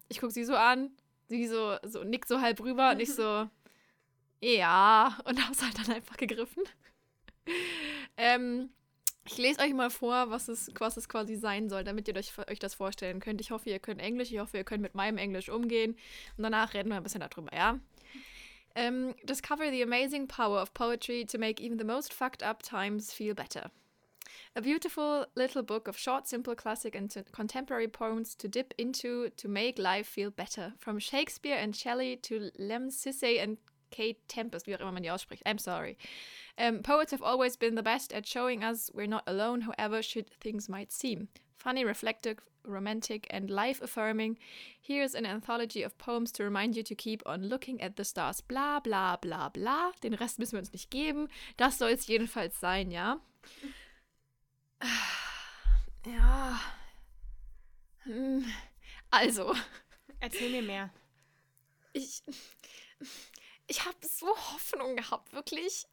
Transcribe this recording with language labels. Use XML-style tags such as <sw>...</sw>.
<de>Ich gucke sie so an, sie so nickt so halb rüber und ich so... Ja, und hab's halt dann einfach gegriffen. Ich lese euch mal vor, was es quasi sein soll, damit ihr euch das vorstellen könnt. Ich hoffe, ihr könnt Englisch, ich hoffe, ihr könnt mit meinem Englisch umgehen. Und danach reden wir ein bisschen darüber, ja?</de> <en>Discover the amazing power of poetry to make even the most fucked up times feel better. A beautiful little book of short, simple, classic and contemporary poems to dip into to make life feel better. From Shakespeare and Shelley to Lem Sisse and Kate Tempest,</en> <de>wie auch immer man die ausspricht.</de> <en>I'm sorry. Poets have always been the best at showing us we're not alone, however shit things might seem. Funny, reflective, romantic and life-affirming. Here's an anthology of poems to remind you to keep on looking at the stars. Bla, bla, bla, bla.</en> <de>Den Rest müssen wir uns nicht geben. Das soll es jedenfalls sein, ja? Ja. Also. Erzähl mir mehr. Ich habe so Hoffnung gehabt, wirklich.</de>